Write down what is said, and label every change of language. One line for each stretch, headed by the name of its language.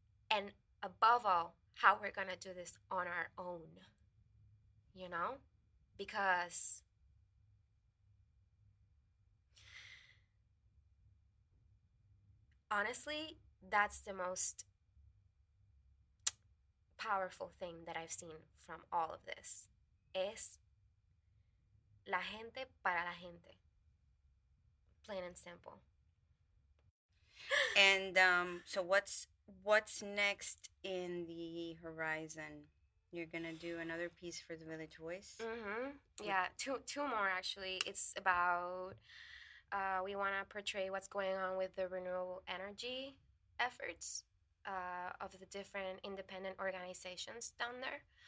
English: And above all, how we're going to do this on our own, you know? Because honestly, that's the most powerful thing that I've seen from all of this.
Spanish: Es la gente para la gente.
English: Plain and simple. And so what's next in the horizon You're going to do another piece for the Village Voice? Mm-hmm. Yeah, two more, actually. It's about, we want to portray what's going on with the renewable energy efforts of the different independent organizations down there.